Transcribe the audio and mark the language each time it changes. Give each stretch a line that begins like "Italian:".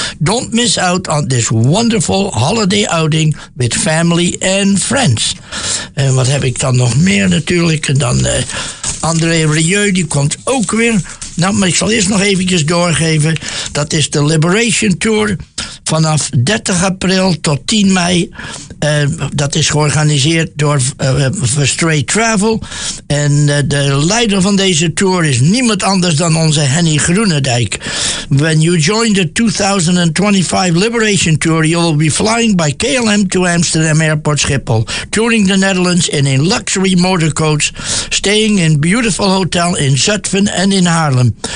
English: Don't miss out on this wonderful holiday outing with family and friends.
Dutch: En wat heb ik dan nog meer natuurlijk? En dan André Rieu, die komt ook weer. Nou, maar ik zal eerst nog eventjes doorgeven. Dat is de Liberation Tour vanaf 30 april tot 10 mei. Dat is georganiseerd door Straight Travel. En de leider van deze tour is niemand anders dan onze Henny Groenendijk.
English: When you join the 2025 Liberation Tour, you will be flying by KLM to Amsterdam Airport Schiphol, touring the Netherlands in a luxury motor coach, staying in beautiful hotel in Zutphen and in Haarlem.